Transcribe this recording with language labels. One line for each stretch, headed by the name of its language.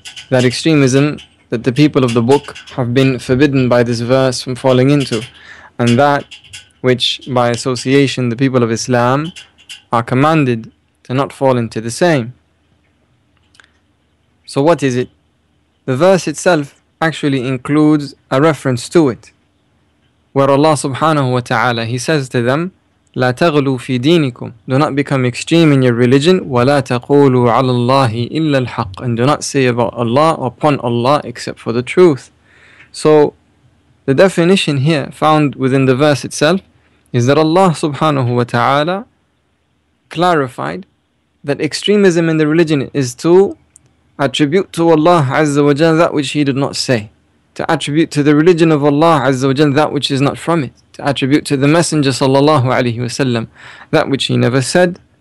English: That extremism that the people of the book have been forbidden by this verse from falling into, and that which by association the people of Islam are commanded to not fall into the same. So what is it? The verse itself actually includes a reference to it, where Allah subhanahu wa ta'ala, he says to them,
Arabic: لا تغلو في دينكم.
English: Do not become extreme in your religion.
Arabic: ولا تقولوا على الله إلا الحق.
English: And do not say about Allah upon Allah except for the truth. So the definition here found within the verse itself is that Allah subhanahu wa ta'ala clarified that extremism in the religion is to attribute to Allah Azza wa Jalla that which he did not say, to attribute to the religion of Allah Azza wa Jalla that which is not from it, to attribute to the Messenger sallallahu alayhi wa sallam that which he never said.